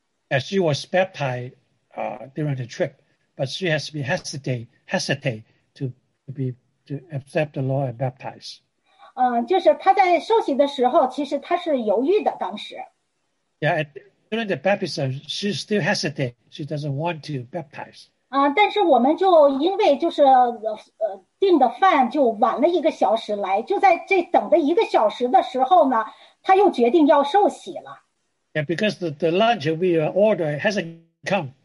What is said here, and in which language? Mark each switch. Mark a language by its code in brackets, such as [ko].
[en] Yeah, she was baptized during the trip, but she has to be hesitate to accept the Lord and baptize. [zh] 就是她在受洗的时候，其实她是犹豫的当时。 [en] Yeah, during the baptism, she still hesitates. She doesn't want to baptize. [zh] 但是我们就因为就是订的饭就晚了一个小时来，就在这等的一个小时的时候呢，她又决定要受洗了。 [en] Yeah, because the lunch we order hasn't come.